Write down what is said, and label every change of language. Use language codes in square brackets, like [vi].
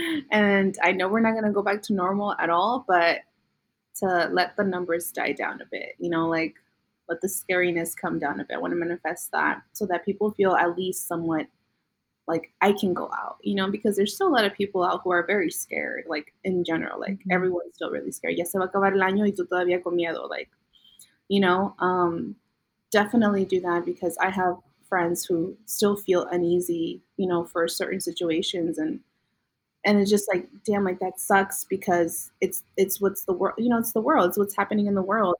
[en] And I know we're not going to go back to normal at all, but to let the numbers die down a bit, you know, like, let the scariness come down a bit. I want to manifest that so that people feel at least somewhat like I can go out, you know, because there's still a lot of people out who are very scared, like in general, like mm-hmm. everyone's still really scared. [es] Ya se va a acabar el año y tú todavía con miedo. [en] Like, you know, definitely do that, because I have friends who still feel uneasy, you know, for certain situations. And it's just like, damn, like that sucks, because it's what's the world, you know, it's the world, it's what's happening in the world.